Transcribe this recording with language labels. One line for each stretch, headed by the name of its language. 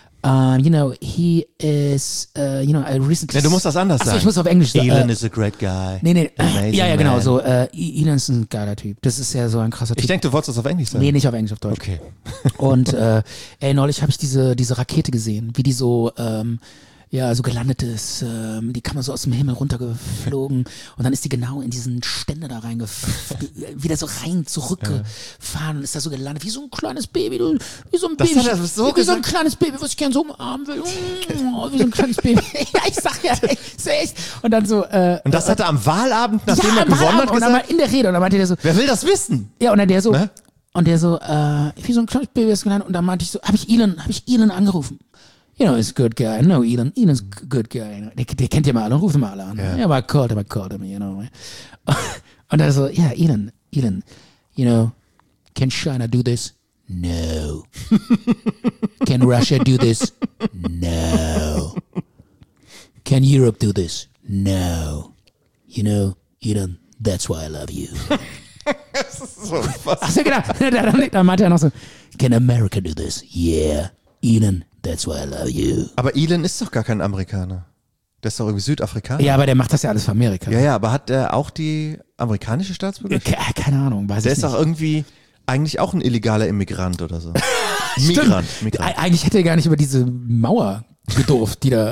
English: You know, he is, you know, I recently...
German: Ja, du musst das anders sagen. Ich muss auf Englisch sagen.
English: Elon is a great guy.
German: Nee. Ja, genau, so. Elon's ein geiler Typ. Das ist ja so ein krasser Typ. Ich denke, du wolltest das auf Englisch sagen. Nee, nicht auf Englisch, auf Deutsch. Okay. Und neulich habe ich diese Rakete gesehen, wie die so... ja, so gelandet ist, die kam so aus dem Himmel runtergeflogen und dann ist die genau in diesen Ständer da wieder so rein zurückgefahren und ist da so gelandet, wie so ein kleines Baby, wie so ein Baby, das so wie so ein kleines Baby, was ich gerne so umarmen will, wie so ein kleines Baby, ja, ich sag ja, echt, und dann so. Und das hat er am Wahlabend, nachdem er gewonnen hat, gesagt? Und dann mal in der Rede, und dann meinte der so. Wer will das wissen? Ja, und dann der so. Ne?
English: Und der so, wie so ein kleines Baby ist gelandet, und dann meinte ich so, hab ich Elon angerufen.
German: You know, he's a good guy. I know Elon.
English: Elon's a good guy.
German: Der kennt ja mal alle, ruft mal alle an.
English: Yeah. Yeah, I called him, you know.
German: Und dann so,
English: yeah, Elon, you know, can China do this? No. Can Russia do this? No. Can Europe do this? No. You know, Elon, that's why I love you.
German: Das ist so fast. Ach, dann meinte er noch so,
English: can America do this? Yeah. Elon, that's why I love you.
German: Aber Elon ist doch gar kein Amerikaner. Der ist doch irgendwie Südafrikaner. Ja, aber der macht das ja alles für Amerika. Ja, aber hat er auch die amerikanische Staatsbürgerschaft? Keine Ahnung, weiß der ich nicht. Der ist doch irgendwie eigentlich auch ein illegaler Immigrant oder so. Migrant. Eigentlich hätte er gar nicht über diese Mauer gedurft, die da...